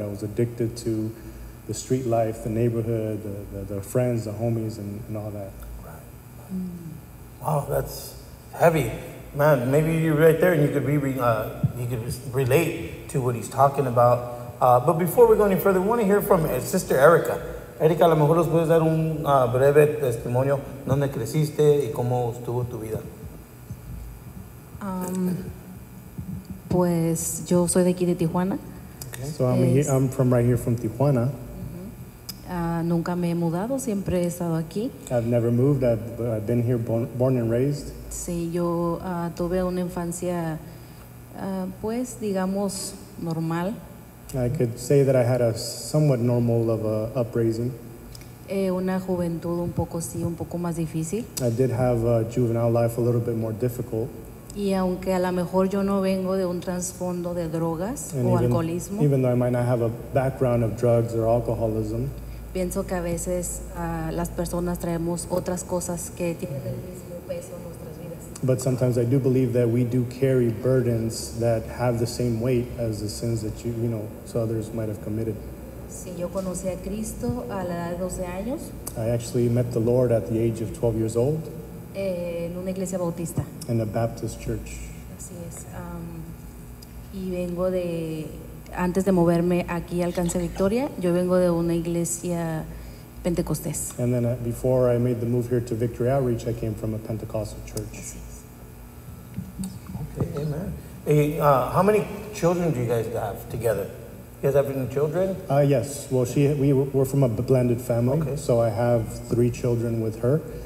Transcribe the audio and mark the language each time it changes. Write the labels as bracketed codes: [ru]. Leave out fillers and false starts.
[en] I was addicted to the street life, the neighborhood, the friends, the homies, and all that. Right. Wow, that's heavy. Man, maybe you're right there and you could relate to what he's talking about. But before we go any further, we want to hear from Sister Erika. [es] Erika, a lo mejor nos puedes dar un breve testimonio, donde creciste y cómo estuvo tu vida. Pues yo soy de aquí de Tijuana. [en] Okay. So I'm from right here from Tijuana. [es] Nunca me he mudado, siempre he estado aquí. [en] I've never moved, I've been here born and raised. [es] Sí, yo tuve una infancia, pues digamos, normal. [en] I could say that I had a somewhat normal of a upbringing. [es] Una juventud un poco sí, un poco más difícil. [en] I did have a juvenile life a little bit more difficult. [es] Y aunque a lo mejor yo no vengo de un trasfondo de drogas o alcoholismo, [en] even though I might not have a background of drugs or alcoholism, [es] pienso que a veces las personas traemos otras cosas que tienen el mismo peso en nuestras vidas. [en] But sometimes I do believe that we do carry burdens that have the same weight as the sins that so others might have committed. [es] Sí, yo conocí a Cristo a la edad de 12 años. [en] I actually met the Lord at the age of 12 years old. [es] En una iglesia bautista. [en] In a Baptist church. [es] Así es. Y vengo de, antes de moverme aquí al Alcance Victoria, yo vengo de una iglesia pentecostés. [en] And then before I made the move here to Victory Outreach, I came from a Pentecostal church. Okay, amen. Hey, how many children do you guys have together? You guys have any children? Yes. Well, we're from a blended family. Okay. So I have three children with her.